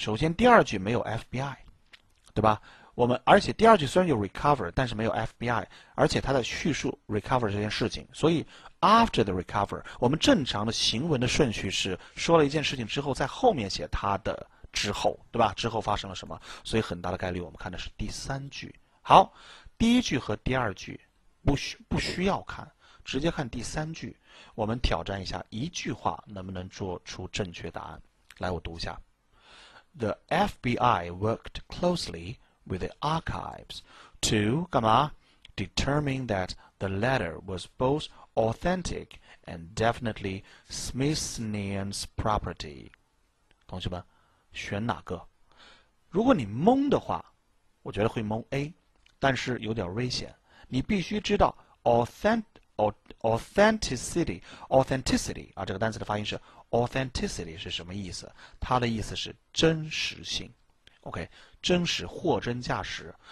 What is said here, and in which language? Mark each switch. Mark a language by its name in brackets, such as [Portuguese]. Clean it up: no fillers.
[Chinese] 首先第二句没有 FBI， 对吧？我们而且第二句虽然有 recover， 但是没有 FBI， 而且它的叙述 recover 这件事情，所以 after the recover， 我们正常的行文的顺序是说了一件事情之后在后面写它的之后，对吧？之后发生了什么？所以很大的概率我们看的是第三句。好，第一句和第二句不需要看，直接看第三句。我们挑战一下，一句话能不能做出正确答案。来，我读一下。 [English] The FBI worked closely with the archives to [Chinese] 干嘛？ [English] Determine that the letter was both authentic and definitely Smithsonian's property。 [Chinese] 同学们选哪个？如果你懵的话，我觉得会懵 A， 但是有点危险。你必须知道 authenticity 啊，这个单词的发音是 authenticity 是什么意思？它的意思是真实性。OK， 真实，货真价实。